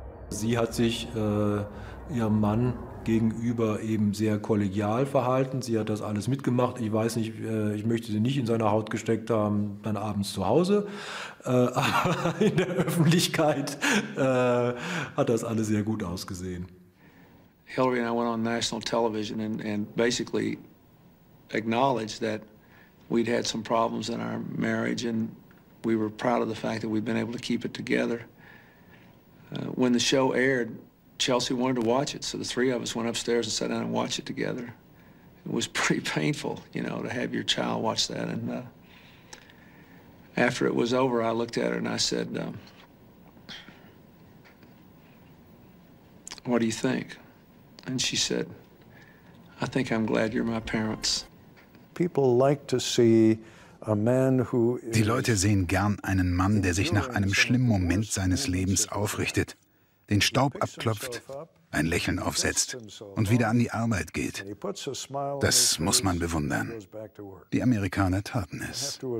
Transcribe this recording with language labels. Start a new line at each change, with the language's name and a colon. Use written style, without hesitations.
German: Sie hat sich ihrem Mann gegenüber eben sehr kollegial verhalten. Sie hat das alles mitgemacht. Ich weiß nicht, ich möchte sie nicht in seiner Haut gesteckt haben, dann abends zu Hause. Aber in der Öffentlichkeit hat das alles sehr gut ausgesehen.
English: Hillary and I went on national television and basically acknowledged that we'd had some problems in our marriage and we were proud of the fact that we'd been able to keep it together. When the show aired, Chelsea wanted to watch it, so the three of us went upstairs and sat down and watched it together. It was pretty painful, you know, to have your child watch that. And after it was over, I looked at her and I said, what do you think? And she said, I think I'm glad you're my parents. People like to see a man who...
German: Die Leute sehen gern einen Mann, der sich nach einem schlimmen Moment seines Lebens aufrichtet, den Staub abklopft, ein Lächeln aufsetzt und wieder an die Arbeit geht. Das muss man bewundern. Die Amerikaner taten es.